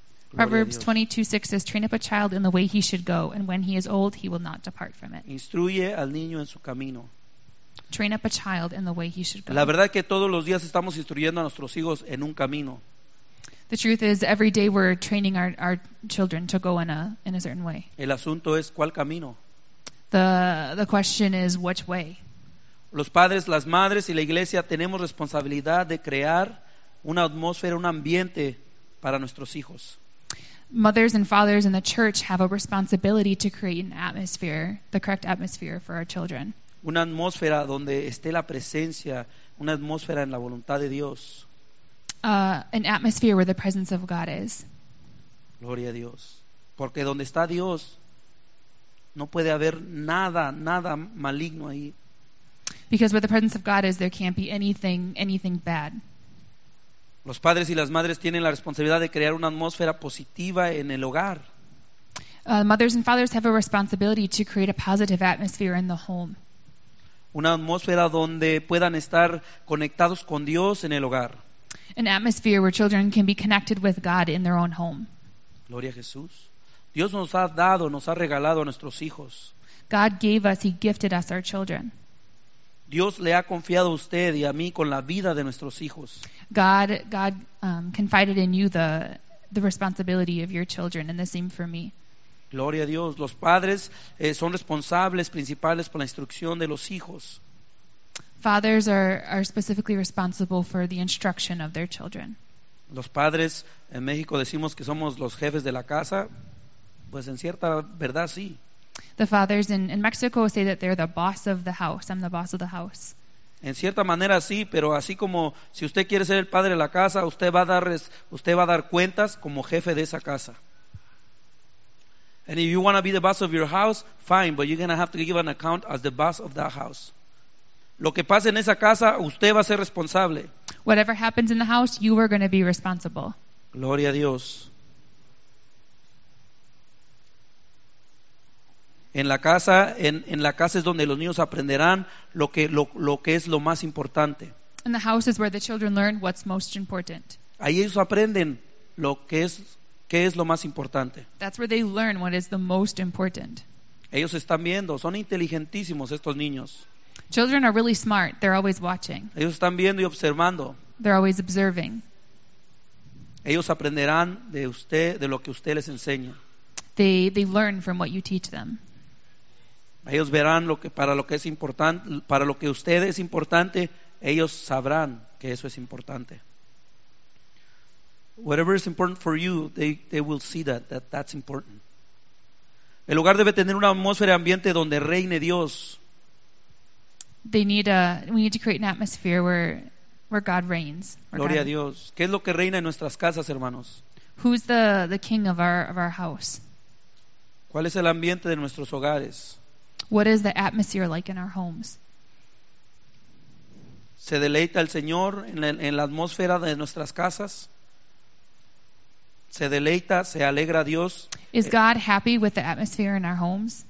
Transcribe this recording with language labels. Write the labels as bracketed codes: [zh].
[en] Proverbs 22:6 says, train up a child in the way he should go, and when he is old, he will not depart from it. [es] Instruye al niño en su camino. [en] Train up a child in the way he should go. [es] La verdad que todos los días estamos instruyendo a nuestros hijos en un camino. [en] The truth is, every day we're training our children to go in a certain way. [es] El asunto es, ¿cuál camino? [en] The question is, which way? [es] Los padres, las madres y la iglesia tenemos responsabilidad de crear una atmósfera, un ambiente para nuestros hijos. [en] Mothers and fathers in the church have a responsibility to create an atmosphere, the correct atmosphere for our children. [es] Una atmósfera donde esté la presencia, una atmósfera en la voluntad de Dios. [en] An atmosphere where the presence of God is. [es] Gloria a Dios. Porque donde está Dios, no puede haber nada maligno ahí. [en] Because where the presence of God is, there can't be anything bad. [es] Los padres y las madres tienen la responsabilidad de crear una atmósfera positiva en el hogar. [en] Mothers and fathers have a responsibility to create a positive atmosphere in the home. [es] Una atmósfera donde puedan estar conectados con Dios en el hogar. [en] An atmosphere where children can be connected with God in their own home. [es] Gloria a Jesús. Dios nos ha dado, nos ha regalado a nuestros hijos. [en] God gave us, he gifted us our children. [es] Dios le ha confiado a usted y a mí con la vida de nuestros hijos. [en] God confided in you the responsibility of your children, and the same for me. [es] Gloria a Dios. Los padres son responsables principales por la instrucción de los hijos. [en] Fathers are specifically responsible for the instruction of their children. [es] Los padres en México decimos que somos los jefes de la casa. Pues en cierta verdad sí. [en] The fathers in Mexico say that they're the boss of the house. I'm the boss of the house. [es] En cierta manera sí, pero así como si usted quiere ser el padre de la casa, usted va a dar cuentas como jefe de esa casa. [en] And if you want to be the boss of your house, fine, but you're going to have to give an account as the boss of that house. [es] Lo que pase en esa casa, usted va a ser responsable. [en] Whatever happens in the house, you are going to be responsible. [es] Gloria a Dios. En la casa es donde los niños aprenderán lo que es lo más importante. [en] In the house is where the children learn what's most important. [es] Ahí ellos aprenden qué es lo más importante. [en] That's where they learn what is the most important. [es] Ellos están viendo, son inteligentísimos estos niños. [en] Children are really smart, they're always watching. [es] Ellos están viendo y observando. [en] They're always observing. [es] Ellos aprenderán de usted, de lo que usted les enseña. [en] They learn from what you teach them. [es] Ellos verán lo que usted es importante, ellos sabrán que eso es importante. [en] Whatever is important for you, they will see that's important. [es] El hogar debe tener una atmósfera y ambiente donde reine Dios. [en] We need to create an atmosphere where God reigns. Where [es] Gloria [en] God [es] a Dios. ¿Qué es lo que reina en nuestras casas, hermanos? [en] Who's the king of our house? [es] ¿Cuál es el ambiente de nuestros hogares? [en] What is the atmosphere like in our homes? [es] ¿Se deleita el Señor en la atmósfera de nuestras casas? ¿Se deleita, se alegra a Dios? [en] Is God happy with the atmosphere in our homes?